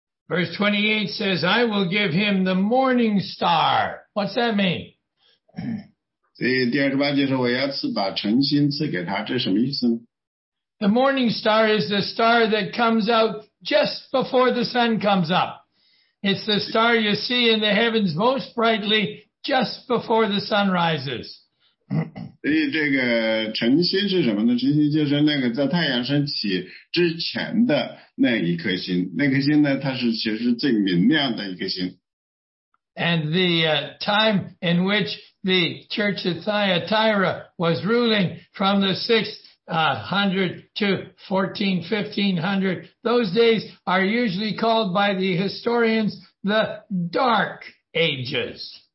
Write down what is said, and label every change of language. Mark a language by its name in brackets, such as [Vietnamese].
[English] Verse 28 says, I will give him the morning star. What's that mean? [Chinese] 所以第28节说, 我要赐把晨星赐给他, 这什么意思呢? [English] The morning star is the star that comes out just before the sun comes up. It's the star you see in the heavens most brightly just before the sun rises. [Chinese] 所以这个晨星是什么呢?晨星就是那个在太阳升起之前的那一颗星。那颗星呢，它是其实最明亮的一颗星。 [English] And the time in which the church of Thyatira was ruling from the 600 to 1400, those days are usually called by the historians the Dark Ages.